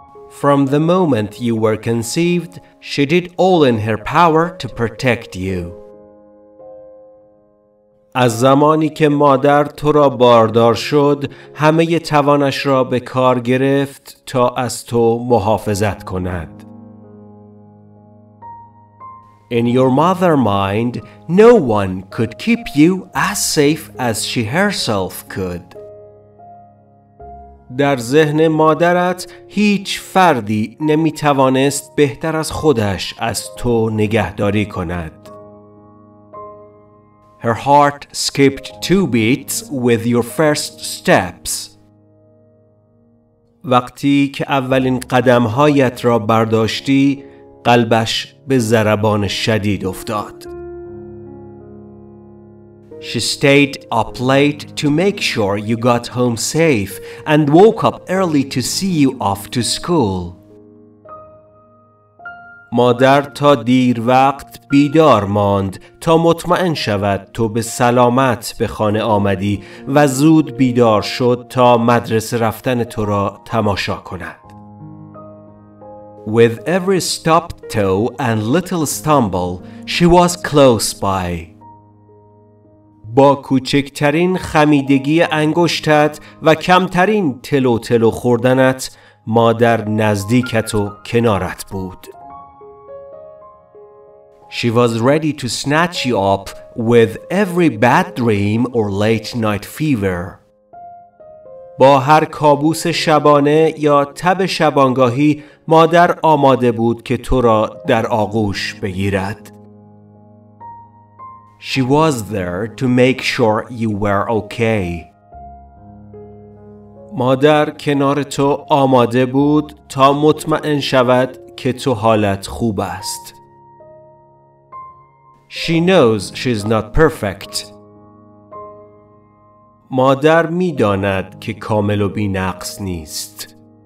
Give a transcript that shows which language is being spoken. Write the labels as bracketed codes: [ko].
[en] From the moment you were conceived, she did all in her power to protect you. [fa] از زمانی که مادر تو را باردار شد، همه توانش را به کار گرفت تا از تو محافظت کند. [en] In your mother mind, no one could keep you as safe as she herself could. [fa] در ذهن مادرت هیچ فردی نمی توانست بهتر از خودش از تو نگهداری کند. [en] Her heart skipped two beats with your first steps. [fa] وقتی که اولین قدمهایت را برداشتی، قلبش به ضربان شدید افتاد. [en] She stayed up late to make sure you got home safe and woke up early to see you off to school. [fa] مادر تا دیر وقت بیدار ماند تا مطمئن شود تو به سلامت به خانه آمدی و زود بیدار شد تا مدرسه رفتن تو را تماشا کند. [en] With every stubbed toe and little stumble, she was close by. [fa] با کوچکترین خمیدگی انگشتت و کمترین تلو تلو خوردنت، مادر نزدیکت و کنارت بود. [en] She was ready to snatch you up with every bad dream or late night fever. [fa] با هر کابوس شبانه یا تب شبانگاهی مادر آماده بود که تو را در آغوش بگیرد. [en] She was there to make sure you were okay. [fa] مادر کنار تو آماده بود تا مطمئن شود که تو حالت خوب است. [en] She knows she's not perfect. [fa] مادر می داند که کامل و بی نقص نیست.